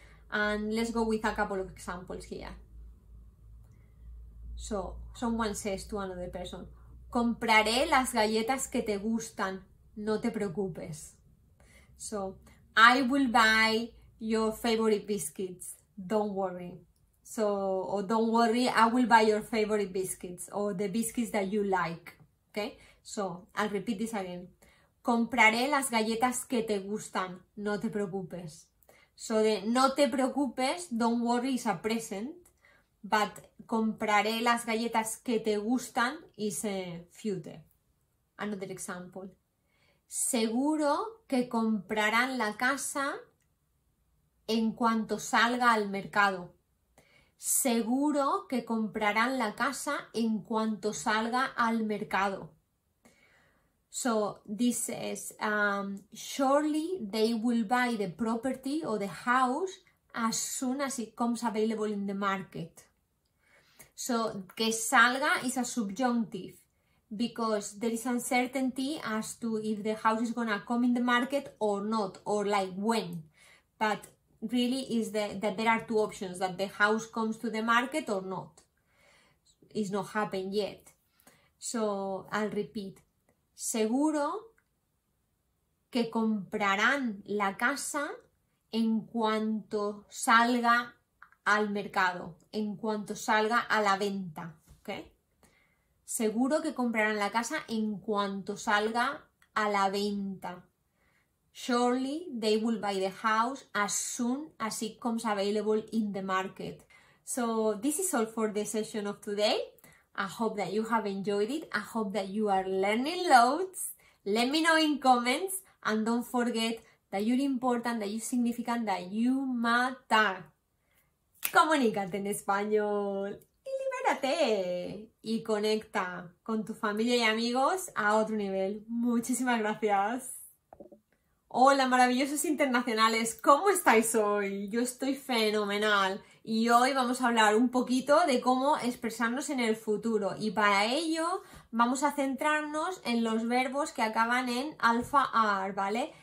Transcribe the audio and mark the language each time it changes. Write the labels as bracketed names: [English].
[English] And let's go with a couple of examples here. So someone says to another person, [Spanish] compraré las galletas que te gustan, no te preocupes. [English] So I will buy your favorite biscuits, don't worry. So, or don't worry, I will buy your favorite biscuits or the biscuits that you like. Okay, so I'll repeat this again. [Spanish] Compraré las galletas que te gustan, no te preocupes. [English] So the [Spanish] no te preocupes, [English] don't worry, is a present, but [Spanish] compraré las galletas que te gustan [English] is a future. Another example. [Spanish] Seguro que comprarán la casa en cuanto salga al mercado. Seguro que comprarán la casa en cuanto salga al mercado. [English] So this says, surely they will buy the property or the house as soon as it comes available in the market. So [Spanish] que salga [English] is a subjunctive because there is uncertainty as to if the house is gonna come in the market or not, or like when. But really is that there are two options, that the house comes to the market or not. It's not happened yet. So I'll repeat. [Spanish] Seguro que comprarán la casa en cuanto salga al mercado, en cuanto salga a la venta, ¿okay? Seguro que comprarán la casa en cuanto salga a la venta. [English] Surely they will buy the house as soon as it comes available in the market. So this is all for the session of today. I hope that you have enjoyed it. I hope that you are learning loads. Let me know in comments and don't forget that you're important, that you're significant, that you matter. [Spanish] Comunícate en español y libérate y conecta con tu familia y amigos a otro nivel. Muchísimas gracias. Hola maravillosos internacionales, ¿cómo estáis hoy? Yo estoy fenomenal y hoy vamos a hablar un poquito de cómo expresarnos en el futuro y para ello vamos a centrarnos en los verbos que acaban en alfa ar, ¿vale?